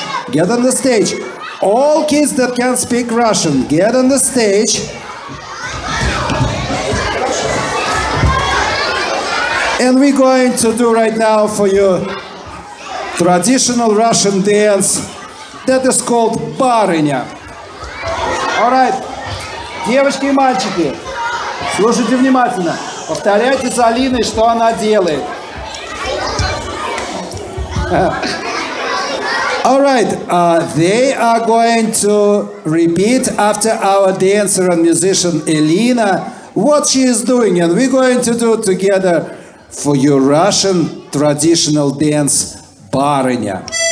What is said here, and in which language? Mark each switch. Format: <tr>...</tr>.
<en>Get on the stage. All kids that can speak Russian, get on the stage. And we're going to do right now for you traditional Russian dance that is called Barynya. All right.</en> <ru>Девочки и мальчики, слушайте внимательно. Повторяйте за Алиной, что она делает.</ru> <en>All right. They are going to repeat after our dancer and musician Elina what she is doing, and we're going to do together for your Russian traditional dance, Barynya.</en>